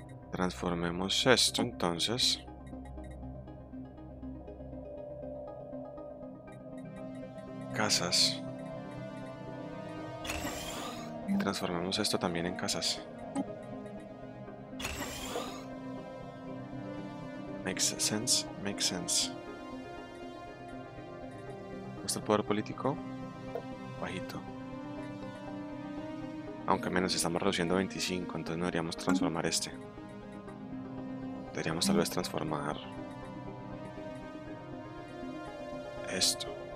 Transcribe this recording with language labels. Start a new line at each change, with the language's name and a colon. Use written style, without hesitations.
Spanish: Transformemos esto entonces. Casas. Transformamos esto también en casas.
English: Makes sense, makes sense.
Spanish: ¿Cómo está el poder político? Bajito. Aunque menos, estamos reduciendo 25, entonces no deberíamos transformar este. Deberíamos tal vez transformar esto.